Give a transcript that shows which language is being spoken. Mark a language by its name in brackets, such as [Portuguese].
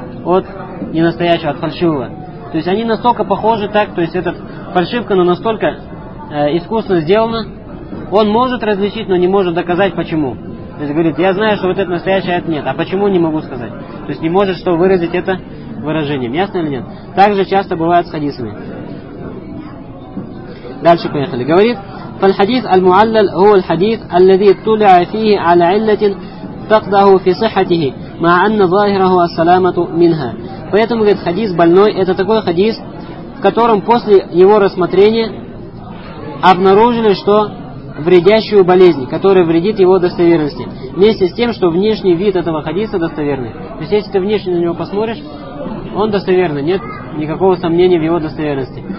[Russian] От ненастоящего, от фальшивого. То есть они настолько похожи, так, то есть эта фальшивка, но настолько искусно сделана, он может различить, но не может доказать, почему. То есть говорит, я знаю, что вот это настоящее, а это нет. А почему, не могу сказать. То есть не может что выразить это выражением. Ясно или нет? Так же часто бывает с хадисами. Дальше поехали. Говорит, [Arabic] فالحديث المعلل هو الحديث الذي اطلع فيه على علة تقضه في صحته مع أن ظاهره السلامة منها. [Russian] Поэтому, говорит, хадис больной, это такой хадис, в котором после его рассмотрения обнаружили, что вредящую болезнь, которая вредит его достоверности. Вместе с тем, что внешний вид этого хадиса достоверный. То есть, если ты внешне на него посмотришь, он достоверный, нет никакого сомнения в его достоверности.